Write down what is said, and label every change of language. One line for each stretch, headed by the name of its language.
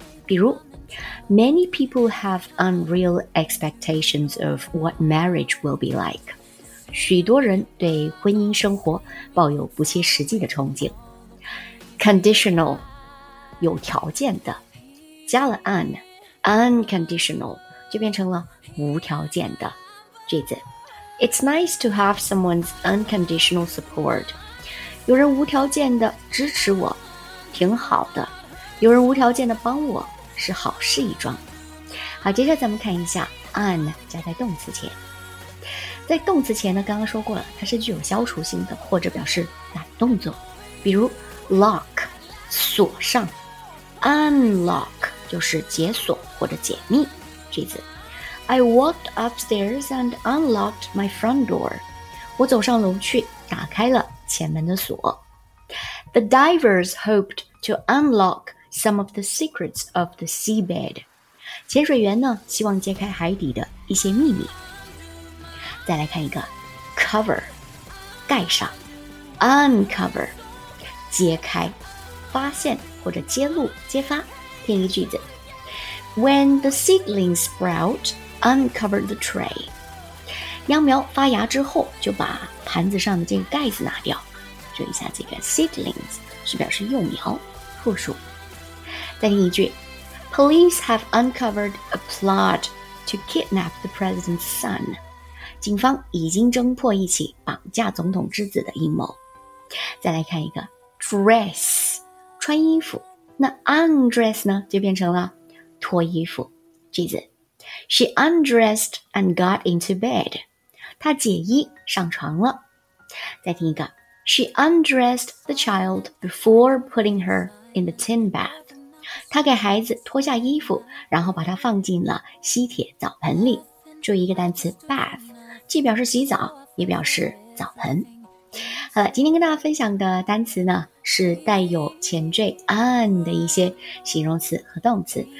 Chinese: 比如
English: Many people have unreal expectations of what marriage will be like.
Chinese: 许多人对婚姻生活抱有不切实际的憧憬。 Conditional,有条件的，加了 un unconditional 就变成了无条件的句子。
English: It's nice to have someone's unconditional support.
Chinese: 有人无条件的支持我，挺好的。有人无条件的帮我，是好事一桩。好，接着咱们看一下 ，un 加在动词前。在动词前呢，刚刚说过了，它是具有消除性的，或者表示懒动作。比如 lock 锁上 ，unlock 就是解锁或者解密。句子。
English: I walked upstairs and unlocked my front door.
Chinese: 我走上楼去，打开了前门的锁。
English: The divers hoped to unlock some of the secrets of the seabed.
Chinese: 潜水员呢，希望揭开海底的一些秘密。再来看一个 ，cover， 盖上 ，uncover， 揭开，发现或者揭露、揭发。听一个句子
English: ：When the seedlings sprout. Uncover the tray.
Chinese: 秧苗发芽之后，就把盘子上的这个盖子拿掉。注意一下，这个 seedlings 是表示幼苗、复数。再听一句
English: ，Police have uncovered a plot to kidnap the president's son.
Chinese: 警方已经侦破一起绑架总统之子的阴谋。再来看一个 dress， 穿衣服。那 undress 呢，就变成了脱衣服。句子。
English: She undressed and got into bed.
Chinese: 她解衣上床了。再听一个。
English: She undressed the child before putting her in the tin bath.
Chinese: 她给孩子脱下衣服，然后把她放进了吸铁澡盆里。注意一个单词 bath， 既表示洗澡，也表示澡盆。好了，今天跟大家分享的单词呢，是带有前缀 un 的一些形容词和动词。